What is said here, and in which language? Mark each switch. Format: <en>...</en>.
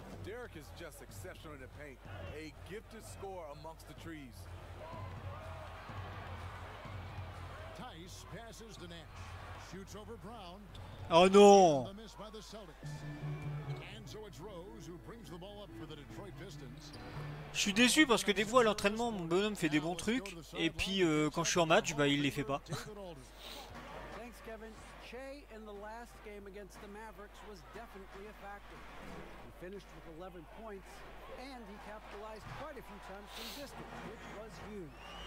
<en>Derek is just exceptional in the paint. A gifted score amongst the trees. Tice passes to Nash. Shoots over Brown. Oh no! The miss by the Celtics. And so it's Rose who brings the ball up for the Detroit Pistons.</en> <fr>Je suis déçu parce que des fois à l'entraînement, mon bonhomme fait des bons trucs. Et puis quand je suis en match, bah il les fait pas.</fr> <en>Thanks, Kevin. Che in the last game against the Mavericks was definitely a factor. He finished with 11 points and he capitalized quite a few times from distance, which was huge.</en>